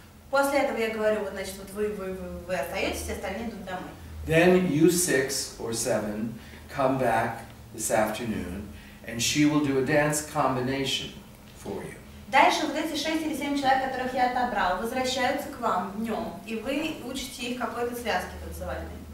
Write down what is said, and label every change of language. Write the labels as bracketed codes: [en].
[ru] После этого я говорю, вот значит, вот вы остаетесь, остальные идут домой. [en] Then you six or seven come back this afternoon, and she will do a dance combination for you. [ru] Дальше вот эти шесть или семь человек, которых я отобрал, возвращаются к вам днем, и вы учите их какой-то связке танцевальной.